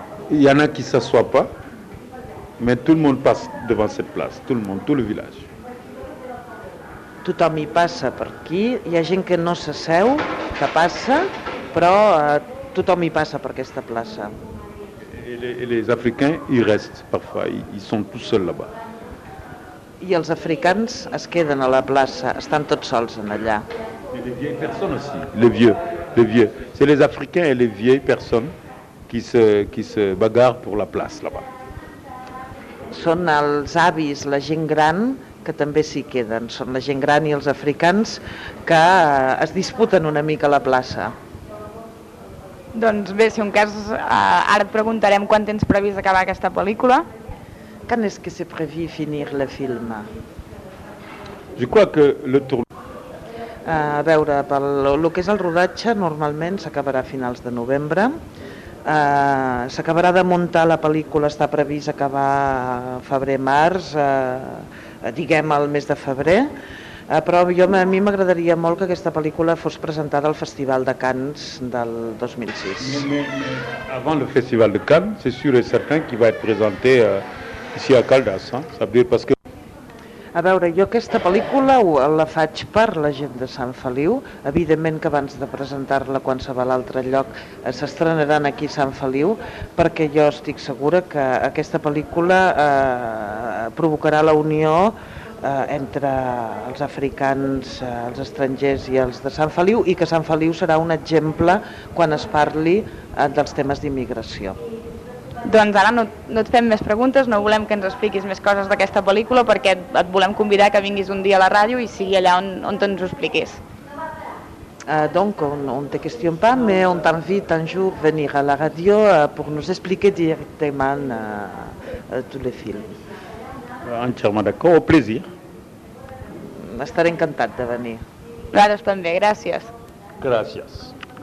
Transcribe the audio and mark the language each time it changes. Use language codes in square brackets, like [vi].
[fr] Il y en a qui ne s'assoit pas. Mais tout le monde passe devant cette place, tout le monde, tout le village. [ca] Tothom hi passa per aquí, hi ha gent que no s'asseu, que passa, però tothom hi passa per aquesta plaça. [fr] Les africains y restent parfois, ils sont tout seuls là-bas. [ca] I els africans es queden a la plaça, estan tots sols en allà. [fr] Et les vieilles personnes aussi, les vieux. C'est les africains et les vieilles personnes qui se bagarrent pour la place là-bas. [ca] Són els avis, la gent gran, que també s'hi queden. Són la gent gran i els africans que es disputen una mica la plaça. Doncs bé, si un cas, ara et preguntarem quan tens previst acabar aquesta pel·lícula. [fr] Quan és que se preví finir el film? Je crois que le tournage... [ca] A veure, pel que és el rodatge, normalment s'acabarà a finals de novembre. S'acabarà de muntar la pel·lícula, està previst acabar febrer-març, diguem el mes de febrer, però a mi m'agradaria molt que aquesta pel·lícula fos presentada al Festival de Cannes del 2006. [fr] Avant le Festival de Cannes, c'est sûr et certain qu'il va être présenté ici à Caldas, hein? Ça veut dire parce que... [ca] A veure, jo aquesta pel·lícula la faig per la gent de Sant Feliu. Evidentment que abans de presentar-la a qualsevol altre lloc s'estrenaran aquí a Sant Feliu, perquè jo estic segura que aquesta pel·lícula provocarà la unió entre els africans, els estrangers i els de Sant Feliu, i que Sant Feliu serà un exemple quan es parli dels temes d'immigració. Doncs ara no et fem més preguntes, no volem que ens expliquis més coses d'aquesta pel·lícula perquè et volem convidar que vinguis un dia a la ràdio i sigui allà on ens ho expliquis. [fr] Donc, on te questionne pas, mais on t'invite un jour venir a la ràdio pour nous expliquer directement tous les films. Entièrement d'accord, au plaisir. [ca] Estaré encantat de venir. Nosaltres també, gràcies. Gràcies.